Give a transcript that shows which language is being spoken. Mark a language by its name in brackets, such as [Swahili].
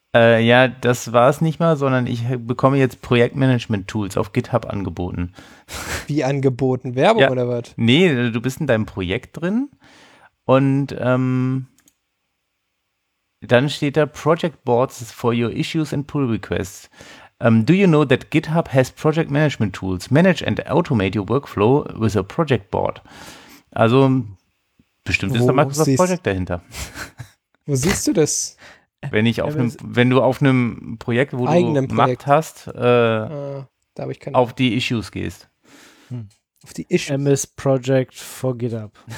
[German] Ja, das war es nicht mal, sondern ich bekomme jetzt Projektmanagement-Tools auf GitHub angeboten. Wie angeboten? Werbung oder was? Nee, du bist in deinem Projekt drin und dann steht da [English] Project Boards for your issues and pull requests. Do you know that GitHub has Project Management Tools? Manage and automate your workflow with a Project Board. [German] Also, bestimmt ist da Microsoft Project dahinter. Wo siehst du das? Wenn du auf einem Projekt, wo du Macht hast, da ich keine auf die Issues gehst. Auf die Issues. MS Project for GitHub.